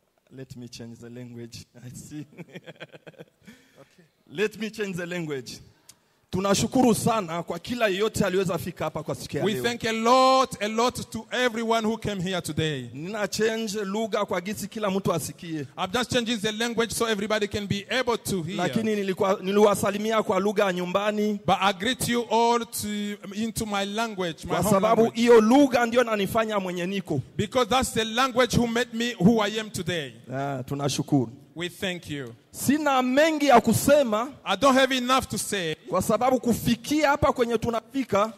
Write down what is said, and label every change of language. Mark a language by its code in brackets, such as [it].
[en] Let me change the language. I see. Okay. [sw] Let me change the language. Tunashukuru sana kwa kila yote aliweza fika hapa kwa siku ya leo. [en] We thank a lot to everyone who came here today. [sw] Nina change lugha kwa gisi kila mtu asikie. [en] I'm just changing the language so everybody can be able to hear. [sw] Lakini niliwasalimia kwa lugha ya nyumbani. [en] But I greet you all into my language, my home language. [sw] Kwa sababu hiyo lugha ndio inanifanya mwenye niko. [en] Because that's the language who made me who I am today. [sw] Ah, tunashukuru. [en] We thank you. [sw] Sina mengi ya kusema. [en] I don't have enough to say. [sw] Kwa sababu kufikia hapa kwenye tunafika.